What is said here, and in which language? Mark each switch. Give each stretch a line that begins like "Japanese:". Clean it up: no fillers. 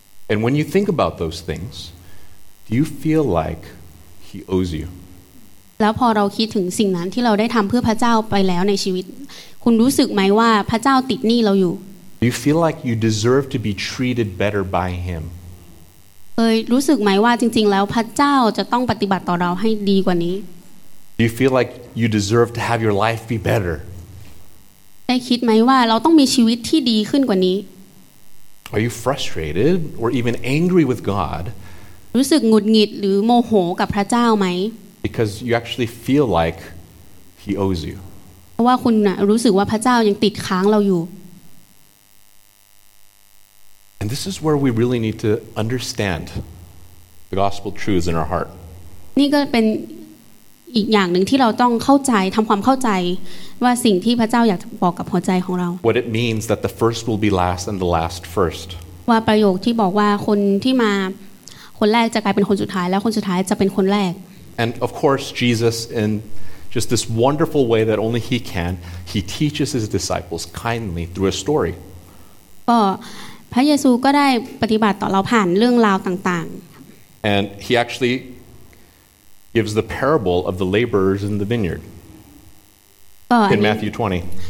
English: And when you think about those things do you feel like he owes you
Thai: แล้วพอเราคิดถึงสิ่งนั้นที่เราได้ทำเพื่อพระเจ้าไปแล้วในชีวิตคุณรู้สึกไหมว่าพระเจ้าติดหนี้เราอยู่
English: Do you feel like you deserve to be treated better by him
Thai: เคยรู้สึกไหมว่าจริงๆแล้วพระเจ้าจะต้องปฏิบัติต่อเราให้ดีกว่านี้
English: Do you feel like you deserve to have your life be better
Thai: ได้คิดไหมว่าเราต้องมีชีวิตที่ดีขึ้นกว่านี้
English: Are you frustrated or even angry with God?
Thai: รู้สึกหงุดหงิดหรือโมโหกับพระเจ้าไหม
English: Because you actually feel like he owes you.
Thai: เพราะว่าคุณน่ะรู้สึกว่าพระเจ้ายังติดค้างเราอยู่
English: And this is where we really need to understand the gospel truths in our heart.
Thai: นี่ก็เป็นอีกอย่างนึงที่เราต้องเข้าใจทำความเข้าใจว่าสิ่งที่พระเจ้าอยากบอกกับหัวใจของเรา
English: What it means that the first will be last and the last first
Thai: ว่าประโยคที่บอกว่าคนที่มาคนแรกจะกลายเป็นคนสุดท้ายแล้วคนสุดท้ายจะเป็นคนแรก
English: And of course Jesus in just this wonderful way that only he can he teaches his disciples kindly through a story
Thai: ก็พระเยซูก็ได้ปฏิบัติต่อเราผ่านเรื่องราวต่าง
English: ๆ And he actuallygives the parable of the laborers in the vineyard in Matthew 20